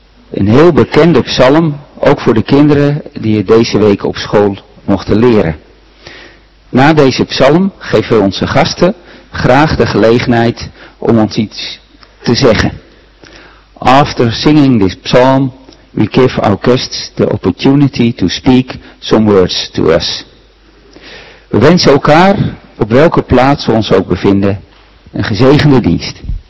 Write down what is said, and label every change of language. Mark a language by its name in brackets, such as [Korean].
[Dutch] Een heel bekende psalm, ook voor de kinderen die het deze week op school mochten leren. Na deze psalm geven we onze gasten graag de gelegenheid om ons iets te zeggen. [English] After singing this psalm, we give our guests the opportunity to speak some words to us. [Dutch] We wensen elkaar, op welke plaats we ons ook bevinden, een gezegende dienst.